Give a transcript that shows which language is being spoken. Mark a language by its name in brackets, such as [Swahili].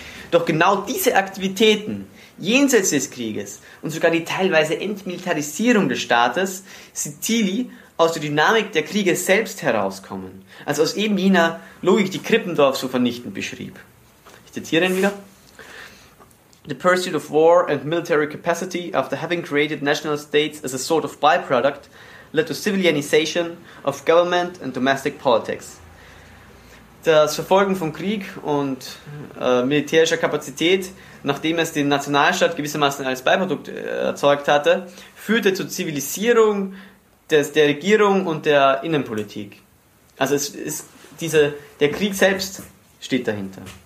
[German] Doch genau diese Aktivitäten jenseits des Krieges und sogar die teilweise Entmilitarisierung des Staates sieht Thiele aus der Dynamik der Kriege selbst herauskommen. Also aus eben jener Logik, die Krippendorf so vernichtend beschrieb. Ich zitiere ihn wieder. [English] The pursuit of war and military capacity after having created national states as a sort of byproduct led to civilianization of government and domestic politics. [German] Das Verfolgen von Krieg und militärischer Kapazität, nachdem es den Nationalstaat gewissermaßen als Beiprodukt erzeugt hatte, führte zur Zivilisierung der Regierung und der Innenpolitik. Also der Krieg selbst steht dahinter.